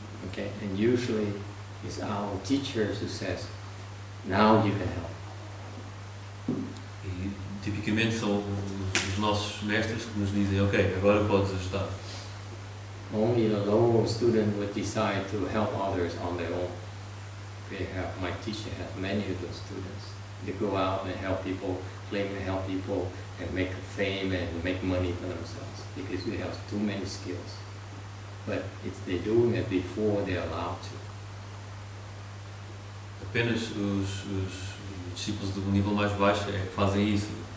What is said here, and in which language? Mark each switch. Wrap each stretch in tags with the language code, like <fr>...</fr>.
<en>Okay, and usually it's our teachers who says, now you can help.</en> <pt>E tipicamente são os nossos mestres que nos dizem, ok, agora podes ajudar.</pt> <en>Only a lower student would decide to help others on their own. My teacher has many of those students. They go out and help people, claim to help people, and make fame and make money for themselves because they have too many skills. But it's they're doing it before they're allowed to.</en> <pt>Apenas os discípulos do nível mais baixo é que fazem isso.</pt>